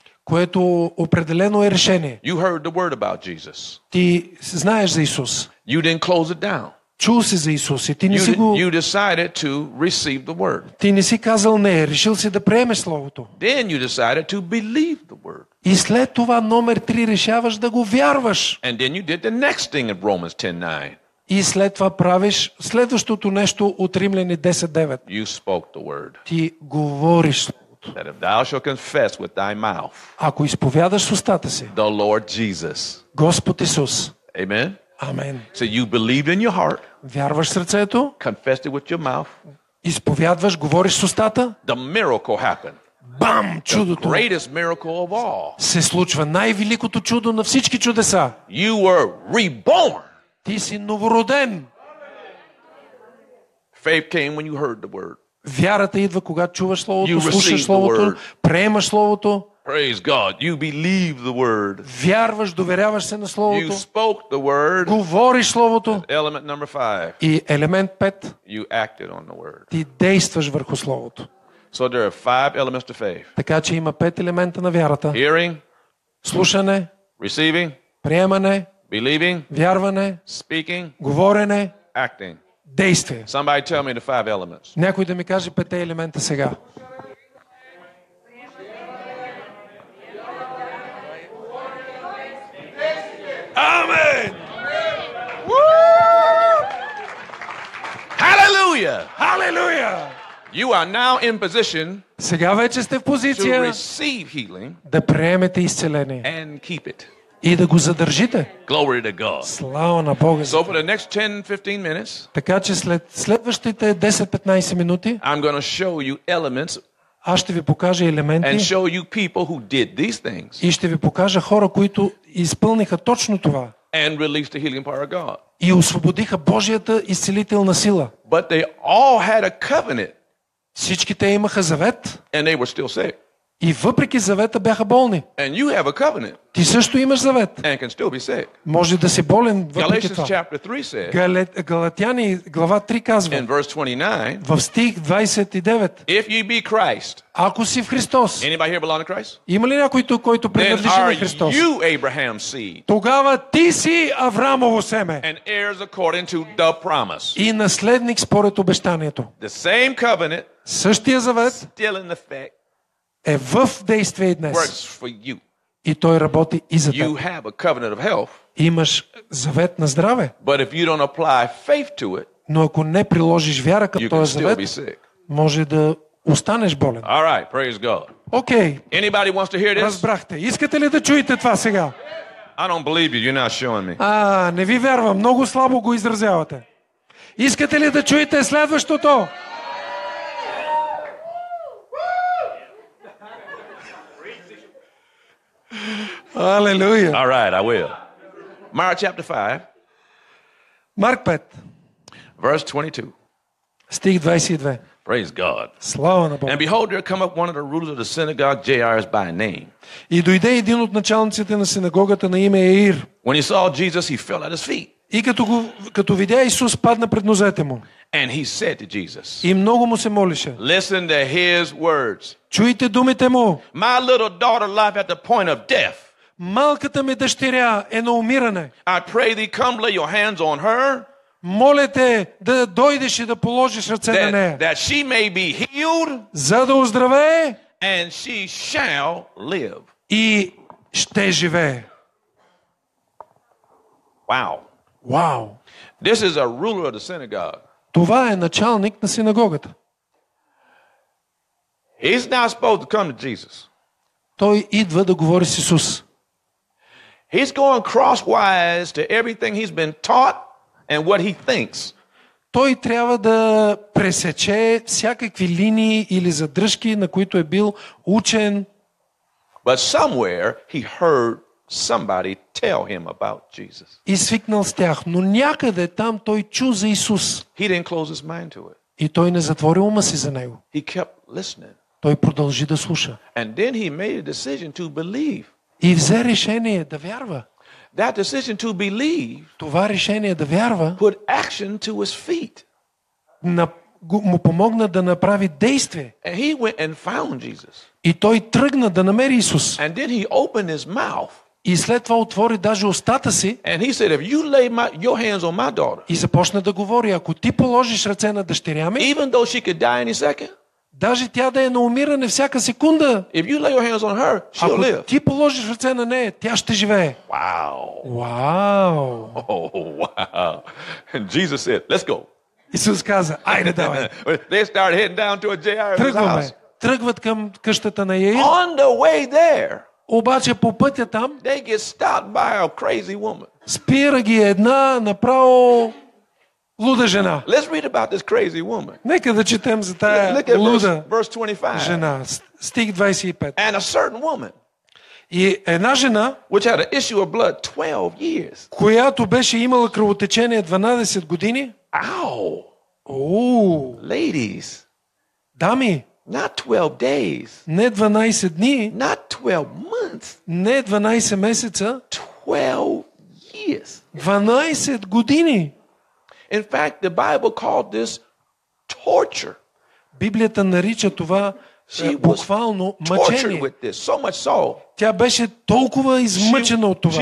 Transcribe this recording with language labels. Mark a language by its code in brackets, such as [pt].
[bg] Което определено е решение. [en] You heard the word about Jesus. [bg] Ти знаеш за Исус. [en] You didn't close it down. [bg] Чул си за Исус и ти не си го... [en] You decided to receive the word. [bg] Ти не си казал не, решил си да приемеш Словото. [en] Then you decided to believe the word. [bg] И след това номер три решаваш да го вярваш. [en] And then you did the next thing in Romans 10:9. [bg] И след това правиш следващото нещо от Римляни 10:9. [en] You spoke the word. [bg] Ти говориш. [en] That if thou shalt confess with thy mouth, [bg] ако изповядаш с устата си, [en] the Lord Jesus, [bg] Господ Исус, [en] amen, amen. So you believed in your heart, [bg] вярваш сърцето, [en] confessed it with your mouth, [bg] изповядваш, говориш с устата, [en] the miracle happened. [bg] Бам! Чудото. [en] The greatest miracle of all. [bg] Се случва най-великото чудо на всички чудеса. [en] You were reborn. [bg] Ти си новороден. [en] Faith came when you heard the word. [bg] Вярата идва, когато чуваш Словото, слушаш Словото, приемаш Словото. [en] Praise God, you believe the word. [bg] Вярваш, доверяваш се на Словото. [en] You spoke the word. [bg] Говориш Словото. [en] Element number five. [bg] И елемент пет. [en] You acted on the word. [bg] Ти действаш върху Словото. [en] So there are five elements to faith. [bg] Така че има пет елемента на вярата. [en] Hearing. [bg] Слушане. [en] Receiving. [bg] Приемане. [en] Believing. [bg] Вярване. [en] Speaking. [bg] Говорене. [en] Acting. [bg] Действие. [en] Somebody tell me the five elements. [bg] Някой да ми каже петте елемента сега. Амен! Халелуя! Халелуя! [en] You are now in position. [bg] Сега вече сте в позиция [en] to receive healing. [bg] Да приемете изцеление. [en] And keep it. [bg] И да го задържите. [en] Glory to God. [bg] Слава на Бога. [en] So for the next 10-15 minutes, [bg] така че след следващите 10-15 минути, [en] I'm going to show you elements, [bg] аз ще ви покажа елементи, [en] and show you people who did these things, [bg] и ще ви покажа хора, които изпълниха точно това, [en] and released the healing power of God, [bg] и освободиха Божията изцелителна сила. [en] But they all had a covenant, [bg] всички те имаха завет, [en] and they were still sick. [bg] И въпреки завета бяха болни. [en] And you have a covenant. [bg] Ти също имаш завет. [en] And can still be sick. [bg] Може да си болен въпреки това. Галатяни глава 3 казва [en] in verse 29, [bg] в стих 29 [en] if you be Christ, [bg] ако си в Христос, [en] anybody here belong to Christ? [bg] Има ли някой тук, който принадлежи [en] then [bg] на Христос? [en] Are you Abraham's seed, [bg] тогава ти си Авраамово семе [en] and heirs according to the promise. [bg] И наследник според обещанието. [en] The same covenant, [bg] същия завет [en] still in effect, [bg] е в действие и днес. [en] Works for you. [bg] И той работи и за теб. [en] You have a covenant of health, [bg] имаш завет на здраве. [en] But if you don't apply faith to it, [bg] но ако не приложиш вяра към този завет, [en] you can still be sick. [bg] Може да останеш болен. [en] All right, praise God. Okay. Anybody wants to hear this? [bg] Разбрахте. Искате ли да чуете това сега? [en] I don't believe you. You're not showing me. [bg] А, не ви вярвам. Много слабо го изразявате. Искате ли да чуете следващото? [en] Hallelujah. All right, I will. Mark chapter 5. Mark 5. Verse 22. [bg] Стих 22. [en] Praise God. [bg] Слава на Бога. [en] And behold, there come up one of the rulers of the synagogue, Jairus by name. [bg] И дойде един от началниците на синагогата на име Яир. [en] When he saw Jesus, he fell at his feet. [bg] И като видя Исус, падна пред нозете му. [en] And he said to Jesus. [bg] И много му се молеше. [en] Listen to his words. [bg] Чуйте думите му. [en] My little daughter lies at the point of death. [bg] Малката ми дъщеря е на умиране. [en] I pray thee, come lay your hands on her. [bg] Моля те да дойдеш и да положиш ръце на нея. [en] That she may be healed. [bg] За да оздравее. [en] And she shall live. [bg] И ще живее. [en] Wow. Wow. This is a ruler of the synagogue. [bg] Това е началник на синагогата. [en] He's not supposed to come to Jesus. [bg] Той идва да говори с Исус. [en] He's going crosswise to everything he's been taught and what he thinks. [bg] Той трябва да пресече всякакви линии или задръжки, на които е бил учен. [en] But somewhere he heard somebody tell him about Jesus. [bg] И свикнал с тях, но някъде там той чу за Исус. [en] He didn't close his mind to it. [bg] И той не затвори ума си за него. [en] He kept listening. [bg] Той продължи да слуша. [en] And then he made a decision to believe. [bg] И взе решение да вярва. [en] That decision to believe. [bg] Това решение да вярва. [en] Put action to his feet. [bg] Му помогна да направи действие. [en] And he went and found Jesus. [bg] И той тръгна да намери Исус. [en] And then he opened his mouth. [bg] И след това отвори даже устата си. [en] And he said, if you lay your hands on my daughter. [bg] И започна да говори, ако ти положиш ръце на дъщеря ми. [en] Even though she could die any second. [bg] Даже тя да е на умиране всяка секунда. [en] If you lay your hands on her, she'll live. [bg] Ако ти положиш ръце на нея, тя ще живее. [en] Wow. Wow. Oh, wow. And Jesus said, let's go. [bg] Исус каза, айде давай. [en] They started heading down to a Jairus' [bg] Тръгваме. [en] House. [bg] Тръгват към къщата на Яир. [en] On the way there. [bg] Обаче по пътя там. [en] They get stopped by a crazy woman. [bg] Спира ги една направо луда жена. [en] Let's read about this crazy woman. [bg] Нека да четем за тая луда [en] verse 25. [bg] Жена. Стих 25. [en] And a certain woman. [bg] И една жена, [en] which had an issue of blood 12 years. [bg] Която беше имала кръвотечение 12 години. [en] Ow. Oh. Ladies. [bg] Дами. [en] Not 12 days. [bg] Не 12 дни. [en] Not 12 months. [bg] Не 12 месеца. [en] 12 years. [bg] 12 години. [en] In fact, the Bible called this torture. [bg] Библията нарича това буквално мъчение. [en] So much so. [bg] Тя беше толкова измъчена от това.